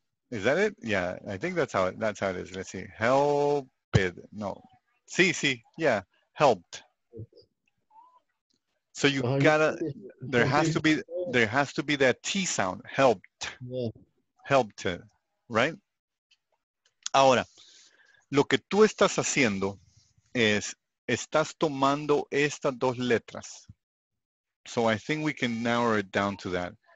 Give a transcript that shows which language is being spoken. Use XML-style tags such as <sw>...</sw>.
<en>Is that it? Yeah, I think that's how it is. Let's see. Helped. No. Sí. Yeah. Helped. So you gotta, there has to be that T sound, helped, right?</en> <es>Ahora, lo que tú estás haciendo es, estás tomando estas dos letras.</es> <en>So I think we can narrow it down to that.</en>